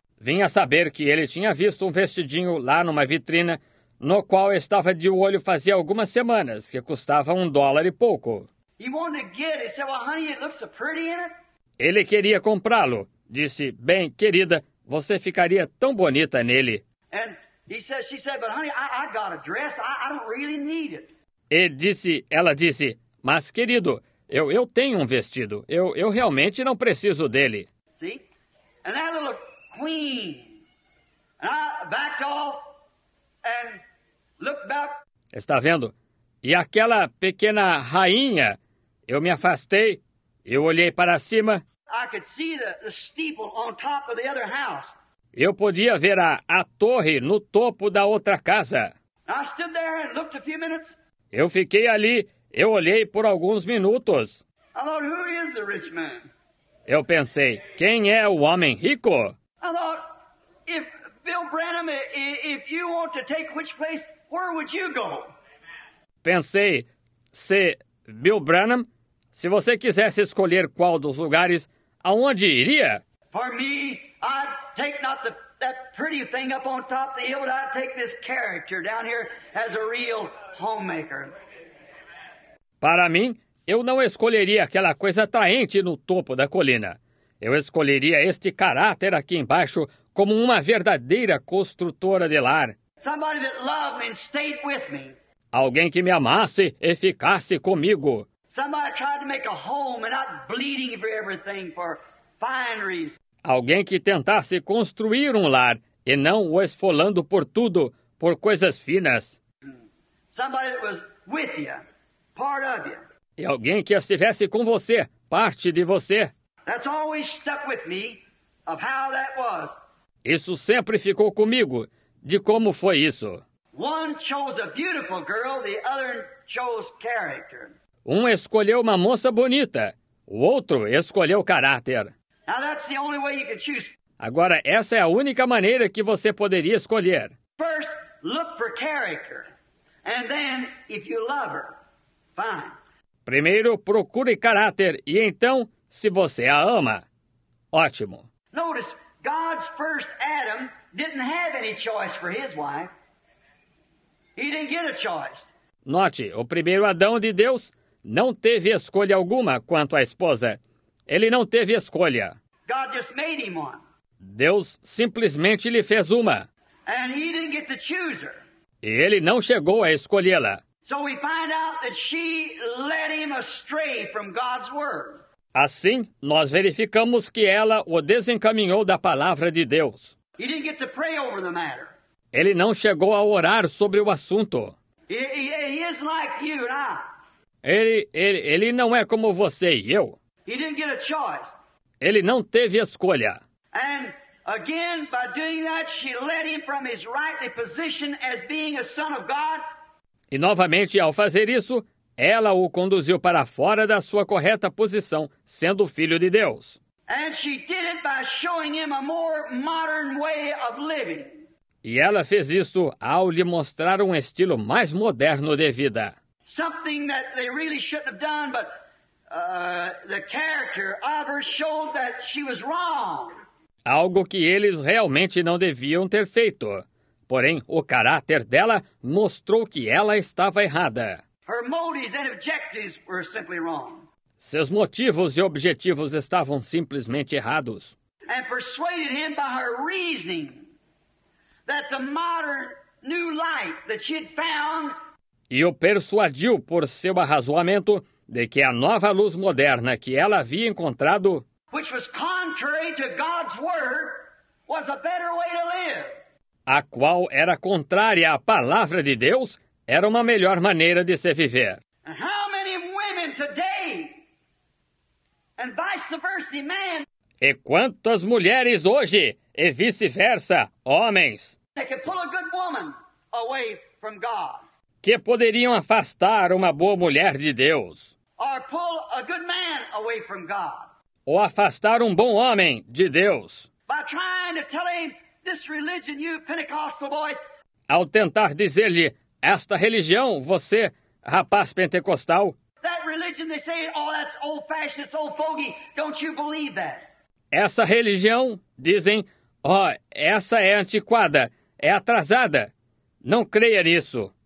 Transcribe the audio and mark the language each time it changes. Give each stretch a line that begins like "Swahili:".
Portuguese: Vim a saber que ele tinha visto um vestidinho lá numa vitrina, no qual estava de olho fazia algumas semanas, que custava um dólar e pouco.
English: He wanted to get it. He said, "Well, honey, it looks so pretty in it."
Portuguese: Ele queria comprá-lo. Disse, "Bem, querida, você ficaria tão bonita nele."
English: And he said, she said, "But honey, I got a dress. I don't really need it."
Portuguese: E disse, ela disse, "Mas, querido, eu tenho um vestido. Eu realmente não preciso dele."
English: See? And that little queen. And I backed off and looked back.
Portuguese: Está vendo? E aquela pequena rainha, eu me afastei, eu olhei para cima.
English: I could see the steeple on top of the other house.
Portuguese: Eu podia ver a torre no topo da outra casa.
English: I stood there and looked a few minutes.
Portuguese: Eu fiquei ali, eu olhei por alguns minutos.
English: I thought, "Who is the rich man?"
Portuguese: Eu pensei, quem é o homem rico?
English: I thought, "If Bill Branham, if you want to take which place, where would you go?"
Portuguese: Pensei, se Bill Branham, se você quisesse escolher qual dos lugares, aonde iria?
English: For me, I'd take not that pretty thing up on top of the hill, but I'd take this character down here as a real homemaker.
Portuguese: Para mim, eu não escolheria aquela coisa atraente no topo da colina. Eu escolheria este caráter aqui embaixo como uma verdadeira construtora de lar.
English: Somebody that loved me and stayed with me.
Portuguese: Alguém que me amasse e ficasse comigo.
English: Somebody tried to make a home and not bleeding for everything for fineries.
Portuguese: Alguém que tentasse construir um lar e não o esfolando por tudo, por coisas finas.
English: Somebody that was with you, part of you.
Portuguese: E alguém que estivesse com você, parte de você.
English: That's always stuck with me of how that was.
Portuguese: Isso sempre ficou comigo, de como foi isso.
English: One chose a beautiful girl, the other chose character.
Portuguese: Um escolheu uma moça bonita, o outro escolheu caráter.
English: Now that's the only way you can choose.
Portuguese: Agora, essa é a única maneira que você poderia escolher.
English: First, look for character. And then, if you love her, fine.
Portuguese: Primeiro, procure caráter. E então, se você a ama, ótimo.
English: Notice, God's first Adam didn't have any choice for his wife. He didn't get a choice.
Portuguese: Note, o primeiro Adão de Deus não teve escolha alguma quanto à esposa. Ele não teve escolha.
English: God just made him one.
Portuguese: Deus simplesmente lhe fez uma.
English: And he didn't get to choose her.
Portuguese: E ele não chegou a escolhê-la.
English: So we find out that she led him astray from God's word.
Portuguese: Assim, nós verificamos que ela o desencaminhou da palavra de Deus.
English: He didn't get to pray over the matter.
Portuguese: Ele não chegou a orar sobre o assunto.
English: He is like you and I.
Portuguese: Ele não é como você e eu.
English: He didn't get a choice.
Portuguese: Ele não teve escolha.
English: And again, by doing that, she led him from his rightly position as being a son of God.
Portuguese: E novamente, ao fazer isso, ela o conduziu para fora da sua correta posição, sendo filho de Deus.
English: And she did it by showing him a more modern way of living.
Portuguese: E ela fez isso ao lhe mostrar um estilo mais moderno de vida.
English: Something that they really shouldn't have done, but the character of her showed that she was wrong.
Portuguese: Algo que eles realmente não deviam ter feito. Porém, o caráter dela mostrou que ela estava errada.
English: Her motives and objectives were simply wrong.
Portuguese: Seus motivos e objetivos estavam simplesmente errados.
English: And persuaded him by her reasoning that the modern new life that she had found.
Portuguese: E o persuadiu por seu arrazoamento de que a nova luz moderna que ela havia encontrado,
English: which was contrary to God's word, was a better way to live.
Portuguese: A qual era contrária à palavra de Deus, era uma melhor maneira de se viver.
English: How many women today, and vice versa, men,
Portuguese: e quantas mulheres hoje, e vice-versa, homens,
English: they can pull a good woman away from God,
Portuguese: que poderiam afastar uma boa mulher de Deus,
English: or pull a good man away from God,
Portuguese: ou afastar um bom homem de Deus,
English: by trying to tell him, this religion, you Pentecostal boys,
Portuguese: ao tentar dizer-lhe, esta religião, você, rapaz pentecostal,
English: that religion, they say, oh, that's old-fashioned, it's old fogey, don't you believe that?
Portuguese: Essa religião, dizem, oh, essa é antiquada, é atrasada, não creia nisso.